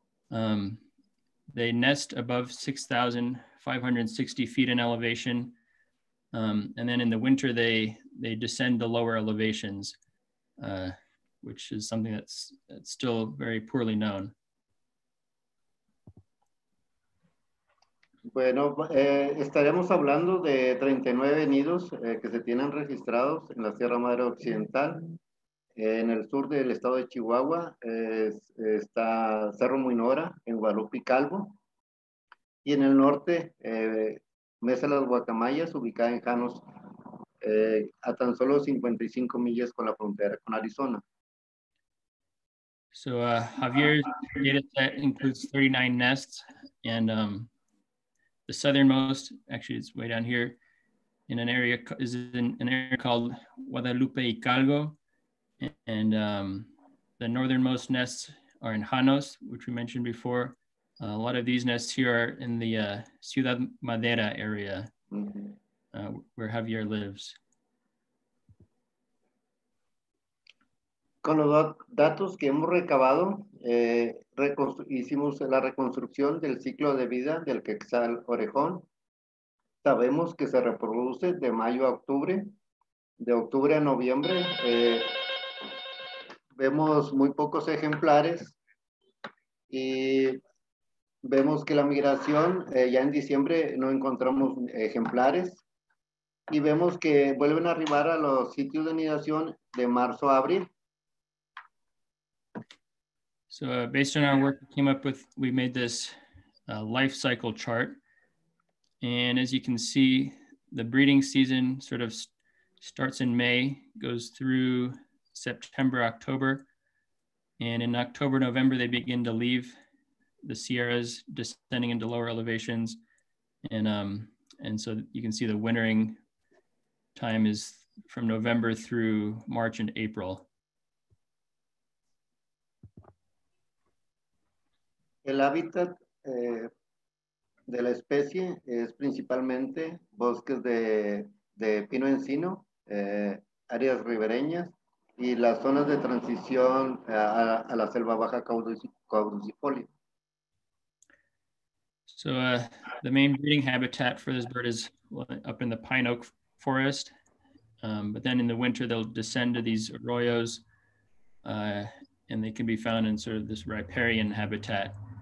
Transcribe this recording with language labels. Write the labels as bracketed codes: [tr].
[en] They nest above 6,560 feet in elevation. And then in the winter, they descend to lower elevations, which is something that's still very poorly known. [es] Bueno, estaremos hablando de 39 nidos que se tienen registrados en la Sierra Madre Occidental. En el sur del estado de Chihuahua está Cerro Muinora, en Guadalupe y Calvo. Y en el norte, Mesa Las Guacamayas, ubicada en Janos, a tan solo 55 millas con la frontera con Arizona. [en] So, Javier's data set includes 39 nests, and the southernmost, actually it's way down here, in an area, is in an area called Guadalupe y Calvo, and the northernmost nests are in Janos, which we mentioned before. A lot of these nests here are in the Ciudad Madera area, where Javier lives. [es] Con los datos que hemos recabado, hicimos la reconstrucción del ciclo de vida del quetzal orejón. Sabemos que se reproduce de mayo a octubre. De octubre a noviembre, vemos muy pocos ejemplares. Y vemos que la migración, ya en diciembre no encontramos ejemplares. Y vemos que vuelven a arribar a los sitios de anidación de marzo a abril. [en] So based on our work, we came up with, we made this life cycle chart. And as you can see, the breeding season sort of starts in May, goes through September, October. And in October, November, they begin to leave the Sierras, descending into lower elevations. And so you can see the wintering time is from November through March and April. [es] El hábitat de la especie es principalmente bosques de pino encino, áreas ribereñas y las zonas de transición a la selva baja caducifolia. [en] So the main breeding habitat for this bird is up in the pine oak forest, but then in the winter they'll descend to these arroyos and they can be found in sort of this riparian habitat.